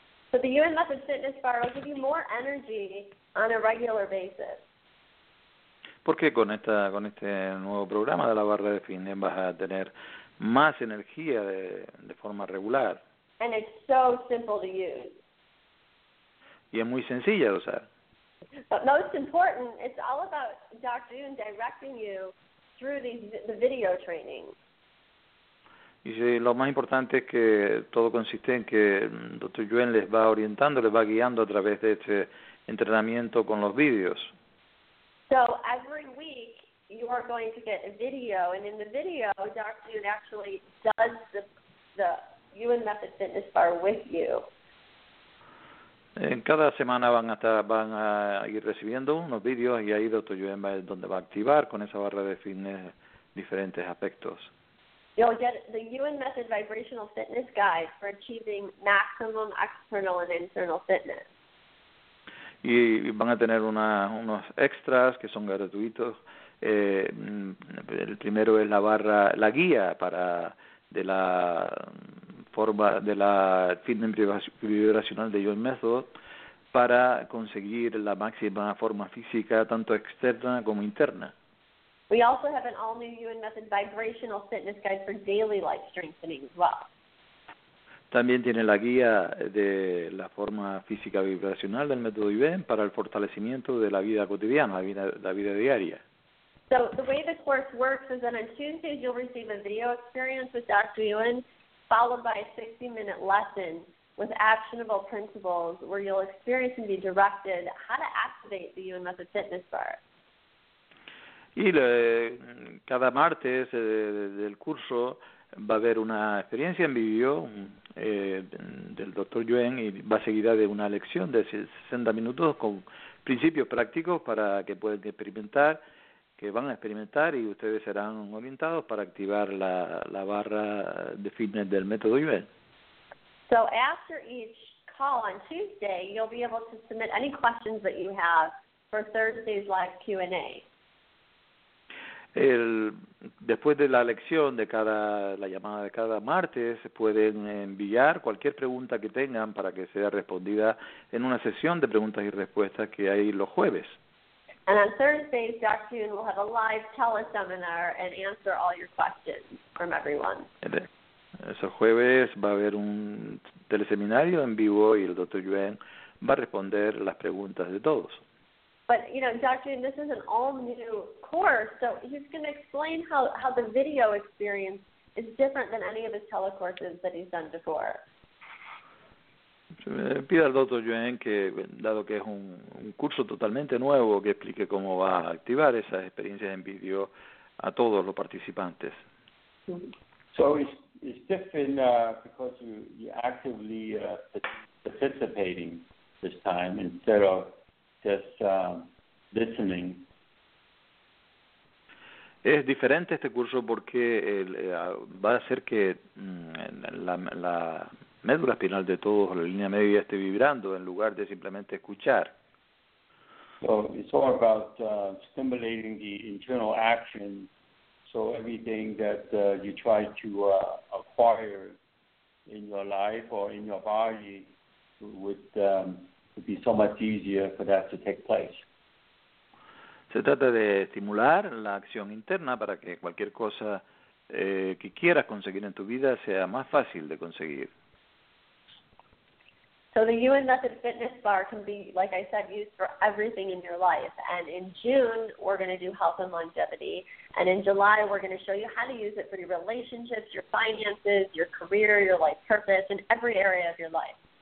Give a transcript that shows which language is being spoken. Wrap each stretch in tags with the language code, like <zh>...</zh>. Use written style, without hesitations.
<en>So the Yuen Method Fitness Bar will give you more energy on a regular basis.</en> <es>Porque con este nuevo programa de la barra de fitness vas a tener más energía de forma regular.</es> <en>And it's so simple to use.</en> <es>Y es muy sencilla de usar.</es> <en>But most important, it's all about Dr. Yuen directing you through the video training.</en> <es>Y sí, lo más importante es que todo consiste en que Dr. Yuen les va orientando, les va guiando a través de este entrenamiento con los videos.</es> <en>So every week, you are going to get a video, and in the video, Dr. Yuen actually does the Yuen Method Fitness Bar with you.</en> <es>En cada semana van a ir recibiendo unos videos, y ahí Dr. Yuen va donde va a activar con esa barra de fitness diferentes aspectos.</es> <en>You'll get the Yuen Method Vibrational Fitness Guide for achieving maximum external and internal fitness.</en> <es>Y van a tener unos extras que son gratuitos. El primero es la guía de la fitness vibracional de Yuen Method para conseguir la máxima forma física tanto externa como interna.</es> <en>We also have an all new Yuen Method vibrational fitness guide for daily life strengthening as well.</en> <es>También tiene la guía de la forma física vibracional del método Yuen para el fortalecimiento de la vida cotidiana, la vida diaria.</es> <en>So the way the course works is that on Tuesdays you'll receive a video experience with Dr. Yuen, followed by a 60-minute lesson with actionable principles where you'll experience and be directed how to activate the Yuen Method Fitness Bar.</en> <es>Y le, cada martes del curso va a haber una experiencia en vídeo del Dr. Yuen y va seguida de una lección de 60 minutos con principios prácticos para que puedan experimentar, que van a experimentar y ustedes serán orientados para activar la barra de fitness del método Yuen.</es> <en>So after each call on Tuesday, you'll be able to submit any questions that you have for Thursday's live Q&A.</en> <es>Después de la lección de la llamada de cada martes, pueden enviar cualquier pregunta que tengan para que sea respondida en una sesión de preguntas y respuestas que hay los jueves.</es> <en>And on Thursdays, Dr. Yuen will have a live teleseminar and answer all your questions from everyone.</en> <es>Ese jueves va a haber un teleseminario en vivo y el Dr. Yuen va a responder las preguntas de todos.</es> <en>But, you know, Dr. Yuen, this is an all-new course, so he's going to explain how the video experience is different than any of his telecourses that he's done before.</en> <es>Pide al Dr. Yuen que, dado que es un curso totalmente nuevo, que explique cómo va a activar esas experiencias en video a todos los participantes.</es> <en>So it's different because you're actively participating this time instead of just listening.</en> <es>Es diferente este curso porque va a hacer que la médula espinal de todos, la línea media, esté vibrando en lugar de simplemente escuchar.</es> <en>So it's all about stimulating the internal action. So everything that you try to acquire in your life or in your body would be so much easier for that to take place.</en> <es>Se trata de estimular la acción interna para que cualquier cosa que quieras conseguir en tu vida sea más fácil de conseguir.</es> <en>So the Yuen Method Fitness Bar can be, like I said, used for everything in your life. And in June, we're going to do health and longevity. And in July, we're going to show you how to use it for your relationships, your finances, your career, your life purpose, in every area of your life.</en>